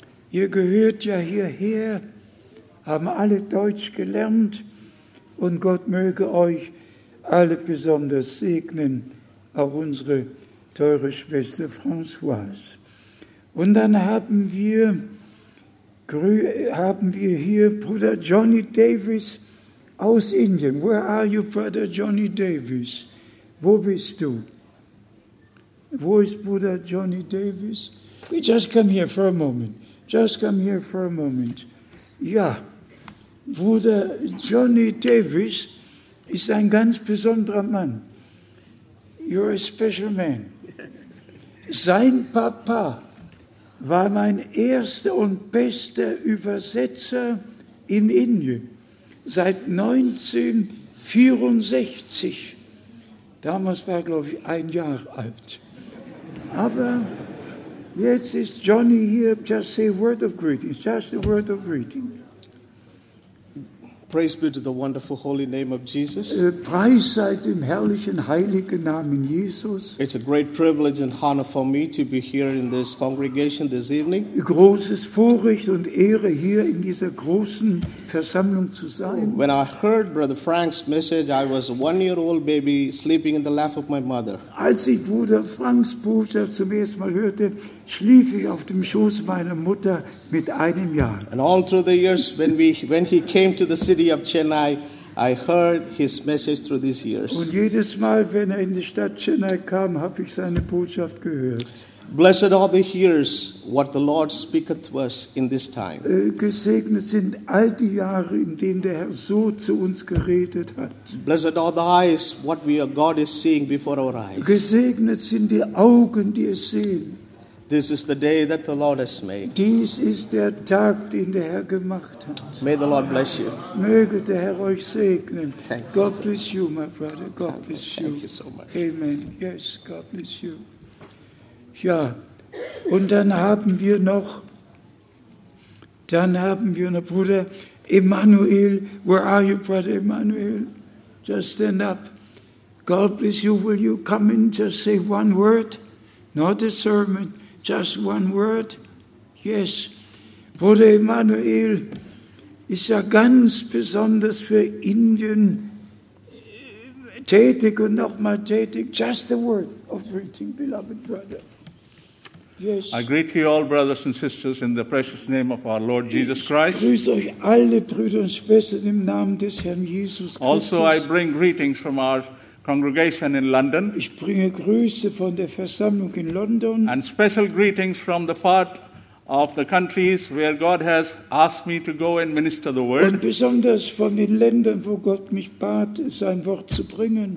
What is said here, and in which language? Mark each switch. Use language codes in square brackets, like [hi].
[de] Ihr gehört ja hierher, haben alle Deutsch gelernt und Gott möge euch alle besonders segnen, auch unsere teure Schwester Françoise. Und dann haben wir haben wir hier Bruder Johnny Davis aus Indien. [en] Where are you, Brother Johnny Davis? [de] Wo bist du? Wo ist Bruder Johnny Davis? [en] Just come here for a moment. Just come here for a moment. [de] Ja, Bruder Johnny Davis ist ein ganz besonderer Mann. [en] You're a special man. [de] Sein Papa war mein erster und bester Übersetzer in Indien seit 1964. Damals war er, glaube ich, ein Jahr alt. Aber jetzt ist Johnny hier. [en] Just say a word of greeting. Just a word of greeting. Praise be to the wonderful holy name of Jesus. [de] Preis sei dem herrlichen heiligen Namen Jesus. [en] It's a great privilege and honor for me to be here in this congregation this evening. [de] Großes Vorrecht und Ehre hier in dieser großen Versammlung zu sein. [en] When I heard Brother Frank's message, I was a 1 year old baby sleeping in the lap of my mother. [de] Als ich Bruder Franks Botschaft zum ersten Mal hörte, schlief ich auf dem Schoß meiner Mutter mit einem Jahr. [en] And all through the years, when he came to the city of Chennai, I heard his message through these years. [de] Und jedes Mal, wenn in die Stadt Chennai kam, habe ich seine Botschaft gehört. [en] Blessed are the hearers what the Lord speaketh to us in this time. [de] Gesegnet sind all die Jahre, in denen der Herr so zu uns geredet hat. [en] Blessed are the eyes what we are God is seeing before our eyes. [de] Gesegnet sind die Augen, die es sehen. [en] This is the day that the Lord has made. [de] Dies ist der Tag, den der Herr gemacht hat. [en] May the Lord bless you. [de] Möge der Herr euch segnen. [en] Thank God you, bless you, my brother. God thank bless you. Thank you so much. Amen. Yes, God bless you. [de] Ja, und dann haben wir noch Bruder Emmanuel. [en] Where are you, Brother Emmanuel? Just stand up. God bless you. Will you come in? Just say one word. Not a sermon, just one word. [de] Yes, Bruder Emmanuel ist ja ganz besonders für Indien tätig und nochmal tätig. [en] Just a word of greeting, beloved brother. Yes. I greet you all, brothers and sisters, in the precious name of our Lord Jesus Christ. [de] Ich grüße euch alle Brüder und Schwestern im Namen des Herrn Jesus Christus. [en] Also, I bring greetings from our congregation in London. [de] Ich bringe Grüße von der Versammlung in London. [en] And special greetings from the part of the countries where God has asked me to go and minister the word. [de] Und besonders von den Ländern, wo Gott mich bat, sein Wort zu bringen.